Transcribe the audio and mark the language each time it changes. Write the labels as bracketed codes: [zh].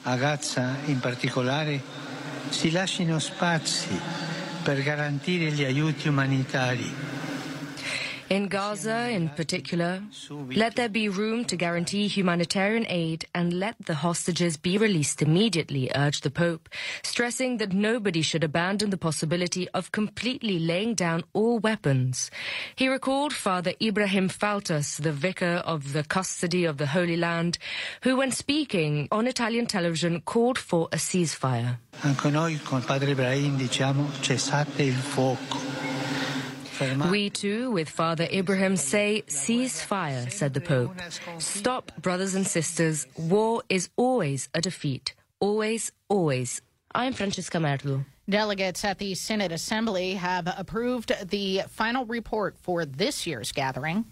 [it] A Gaza, in particolare, si lasciano spazi per garantire gli aiuti umanitari. [en] In Gaza, in particular, let there be room to guarantee humanitarian aid and let the hostages be released immediately, urged the Pope, stressing that nobody should abandon the possibility of completely laying down all weapons. He recalled Father Ibrahim Faltas, the vicar of the custody of the Holy Land, who, when speaking on Italian television, called for a ceasefire. [it] Anche noi con Padre Ibrahim diciamo cessate il fuoco. [en] We too, with Father Ibrahim, say, cease fire, said the Pope. Stop, brothers and sisters. War is always a defeat. Always, always. I'm Francesca Merlo. Delegates at the Synod Assembly have approved the final report for this year's gathering.